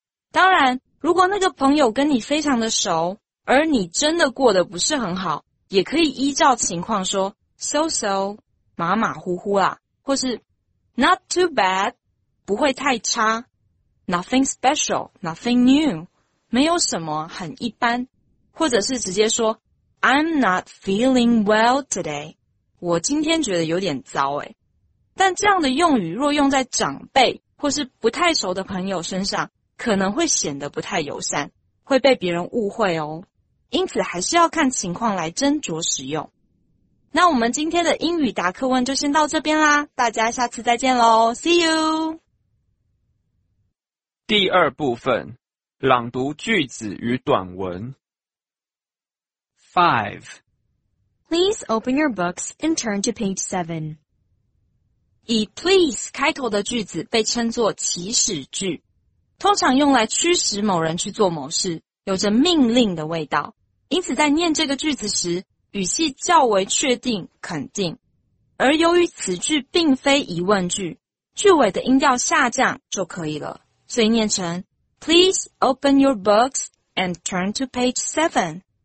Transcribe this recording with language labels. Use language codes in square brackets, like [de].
[zh] 当然如果那个朋友跟你非常的熟，而你真的过得不是很好，也可以依照情况说 [en] so-so， [zh] 马马虎虎啦，或是 [en] not too bad， [zh] 不会太差， [en] nothing special, nothing new, [zh] 没有什么很一般，或者是直接说 [en] I'm not feeling well today. [zh] 我今天觉得有点糟耶。但这样的用语若用在长辈或是不太熟的朋友身上，可能会显得不太友善，会被别人误会哦。因此还是要看情况来斟酌使用。那我们今天的英语答课文就先到这边啦，大家下次再见咯， [en] See you! [zh] 第二部分，朗读句子与短文。 [en] 5. Please open your books and turn to page 7. [zh] 以 please 开头的句子被称作祈使句，通常用来驱使某人去做某事，有着命令的味道。因此在念这个句子时，语气较为确定肯定，而由于此句并非疑问句，句尾的音调下降就可以了，所以念成 [en] Please open your books and turn to page 7。